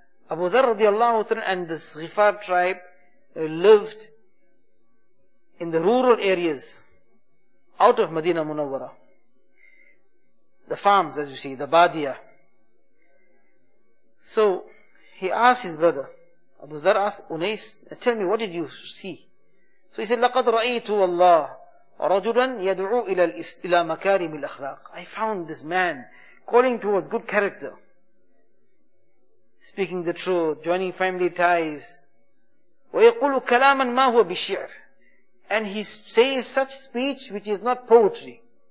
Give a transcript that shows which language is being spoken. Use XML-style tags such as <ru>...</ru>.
<en>Abu Dharr radiallahu anhu and the Ghifar tribe lived in the rural areas out of Medina Munawwara. The farms, as you see, the Badia. So he asked his brother, Abu Dharr asked Unais, tell me, what did you see? So he said,</en> <ar>لَقَدْ رَأَيْتُ وَاللَّهُ رَجُلًا يَدْعُو إِلَى مَكَارِمِ الْأَخْلَاقِ.</ar> <en>I found this man calling towards good character, speaking the truth, joining family ties.</en> <ar>وَيَقُولُ كَلَامًا مَا هُوَ بِشِعْرٍ.</ar> <en>And he says such speech which is not poetry.</en>